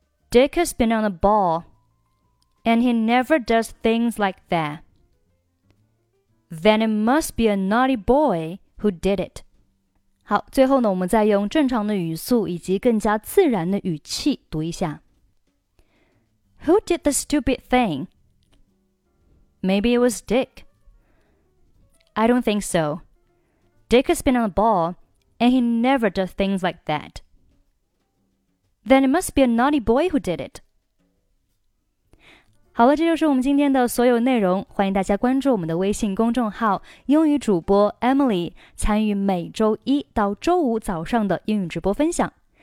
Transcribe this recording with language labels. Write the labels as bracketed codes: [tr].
[en] Dick has been on the ball, and he never does things like that. Then it must be a naughty boy who did it. [zh] 好，最后呢，我们再用正常的语速以及更加自然的语气读一下。 [en] Who did the stupid thing? Maybe it was Dick. I don't think so. Dick has been on the ball, and he never does things like that. Then it must be a naughty boy who did it. [zh] 好了，这就是我们今天的所有内容。欢迎大家关注我们的微信公众号“英语主播 Emily”， 参与每周一到周五早上的英语直播分享。